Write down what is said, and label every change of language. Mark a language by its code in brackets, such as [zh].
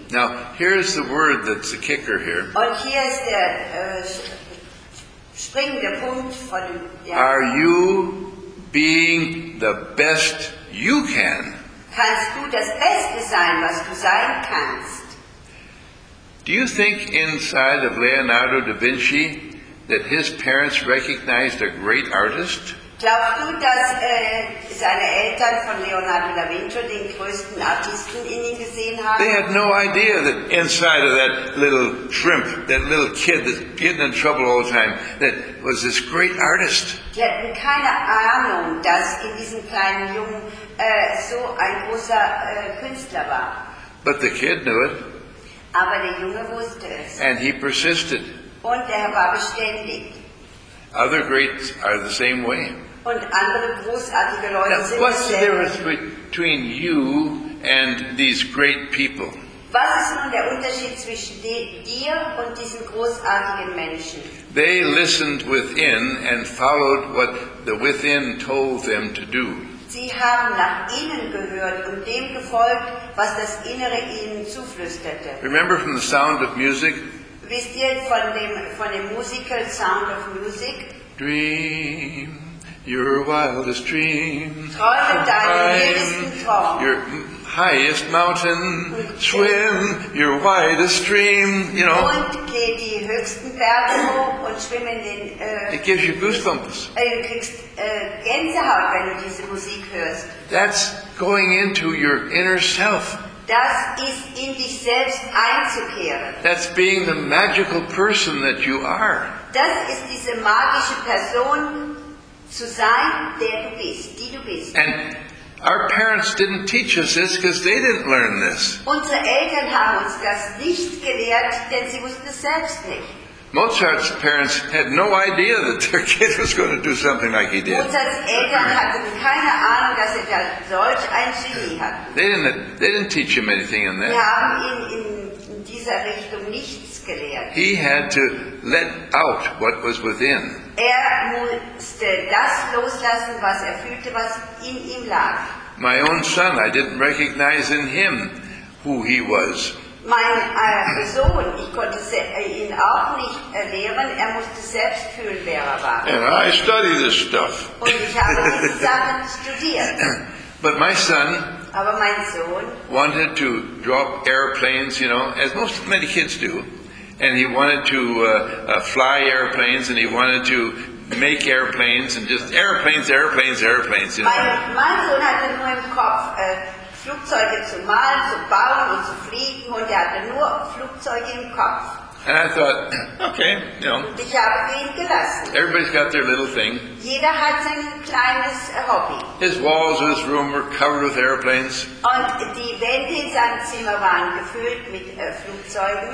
[en] Now, here's the word that's the kicker here. [de] Und hier ist der springende Punkt von dem, ja. [en] Are you being the best you can? [de] Kannst du das Beste sein, was du sein kannst? [en] Do you think inside of Leonardo da Vinci that his parents recognized a great artist? [de] Glaubst du, dass seine Eltern von Leonardo da Vinci den größten Artisten in ihm gesehen haben? [en] They had no idea that inside of that little shrimp, that little kid that's getting in trouble all the time, that was this great artist. [de] Die hatten keine Ahnung, dass in diesem kleinen Jungen so ein großer Künstler war. [en] But the kid knew it. [de] Aber der Junge wusste es. [en] And he persisted. [de] Und er war beständig. [en] Other greats are the same way. [de] Und andere großartige Leute [en] now, [de] sind [en] what's beständig. The difference between you and these great people? [de] Was ist nun der Unterschied zwischen dir und diesen großartigen Menschen? [en] They listened within and followed what the within told them to do. [de] Sie haben nach innen gehört und dem gefolgt, was das Innere ihnen zuflüsterte. [en] Remember from the Sound of Music? [de] Wisst ihr von dem Musical Sound of Music? [en] Dream, your wildest dream. [de] Träume deinen wildesten Traum. [en] Your highest mountain. Swim, your widest stream. You know. [de] Und geh die höchsten Berge hoch und schwimm in den. [en] It gives you goosebumps. [de] Gänsehaut, wenn du diese Musik hörst. [en] That's going into your inner self. [de] Das ist in dich selbst einzukehren. [en] That's being the magical person that you are. [de] Das ist diese magische Person zu sein, der du bist, die du bist. [en] And our parents didn't teach us this because they didn't learn this. [de] Unsere Eltern haben uns das nicht gelehrt, denn sie wussten es selbst nicht. [en] Mozart's parents had no idea that their kid was going to do something like he did. [de] Mozart's Eltern hatten keine Ahnung, dass er solch ein Genie hat. [en] They didn't teach him anything in that. [de] Sie haben ihn in dieser Richtung nichts gelehrt. [en] He had to let out what was within. [de] Er musste das loslassen, was er fühlte, was in ihm lag. [en] My own son, I didn't recognize in him who he was. [de] Mein Sohn, ich konnte ihn auch nicht lehren, er musste selbst fühlen, wer er war. [en] And I study this stuff. [de] Und ich habe diese Sachen studiert. [en] But my son, [de] aber mein Sohn, [en] wanted to drop airplanes, you know, as most many kids do, and he wanted to fly airplanes, and he wanted to make airplanes, and just airplanes, you know. [de] Mein Sohn hatte nur im Kopf, Flugzeuge zu malen, zu bauen und zu fliegen, und er hatte nur Flugzeuge im Kopf. [en] And I thought, okay, you know. [de] Und ich habe ihn gelassen. [en] Everybody's got their little thing. [de] Jeder hat sein kleines Hobby. [en] His walls of his room were covered with airplanes. [de] Und die Wände in seinem Zimmer waren gefüllt mit Flugzeugen.